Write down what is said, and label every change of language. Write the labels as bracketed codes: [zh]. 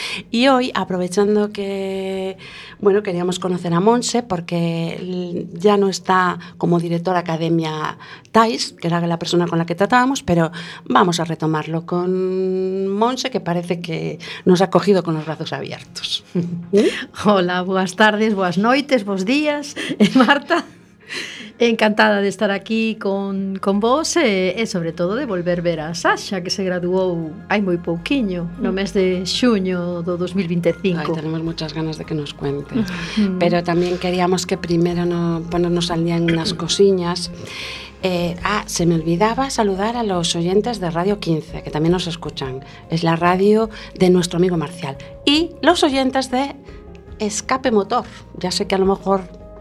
[es] Y hoy, aprovechando que, bueno, queríamos conocer a Montse porque ya no está como directora Academia Thais, que era la persona con la que tratábamos, pero vamos a retomarlo con Montse, que parece que nos ha cogido con los brazos abiertos. Hola, buenas tardes, buenas noches, buenos días, Marta. [gl] Encantada de estar aquí con vos e sobre todo de volver a ver a Sasha, que se graduou hai moi pouquiño, no mes de xuño do 2025. [es] Ay, tenemos muchas ganas de que nos cuente. Pero tamén queríamos que primero ponernos al día en unas cosiñas. Se me olvidaba saludar a los oyentes de Radio 15, que tamén nos escuchan. Es la radio de nuestro amigo Marcial. Y los oyentes de Escape Motor. Ya sé que a lo mejor...